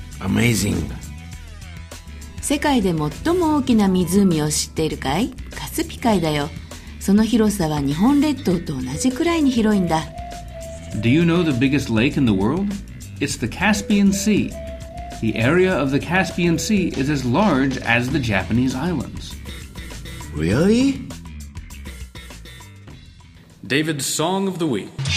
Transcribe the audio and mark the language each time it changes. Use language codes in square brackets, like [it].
[en] Amazing. [ja] 世界で最も大きな湖を知っているかい？カスピ海だよ。その広さは日本列島と同じくらいに広いんだ。 [en] Do you know the biggest lake in the world? It's the Caspian Sea. The area of the Caspian Sea is as large as the Japanese islands. Really? David's Song of the Week.